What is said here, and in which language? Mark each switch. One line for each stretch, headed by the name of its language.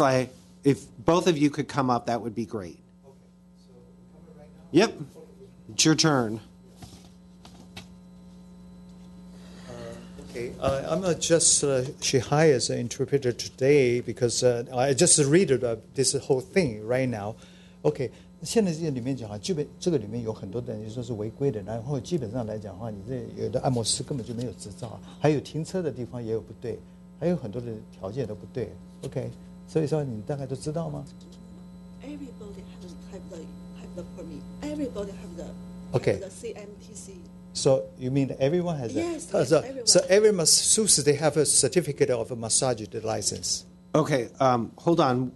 English: Lai, if both of you could come up, that would be great. Yep, it's your turn. I'm not just she hires an interpreter today because I just read this whole thing right now.
Chinese: Okay, 现在这里面讲啊，基本这个里面有很多的，你说是违规的，然后基本上来讲的话，你这有的按摩师根本就没有执照，还有停车的地方也有不对，还有很多的条件都不对。
English: Okay, so it's all in that I don't know. Everybody has the permit. Everybody So you mean everyone has yes, that? Yes, so every masseuse, they have a certificate of a massage license. Okay, hold on.